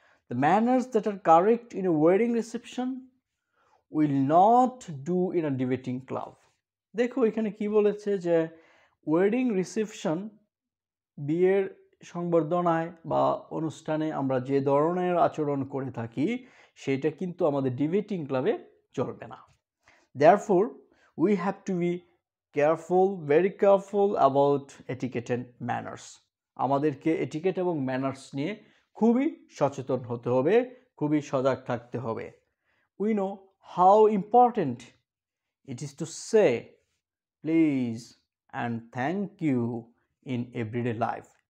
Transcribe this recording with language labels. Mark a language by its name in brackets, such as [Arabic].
[English] The manners that are correct in a wedding reception will not do in a debating club. [Bangla] দেখো এখানে কী বলেছে, যে wedding reception, বিয়ের সংবর্ধনায় বা অনুষ্ঠানে আমরা যে ধরনের আচরণ করে থাকি সেটা কিন্তু আমাদের ডিবেটিং ক্লাবে চলবে না। [English] Therefore, we have to be careful, very careful about etiquette and manners. [Bangla] আমাদেরকে এটিকেট এবং ম্যানার্স নিয়ে খুবই সচেতন হতে হবে, খুবই সজাগ থাকতে হবে। [English] We know how important it is to say please and thank you in everyday life.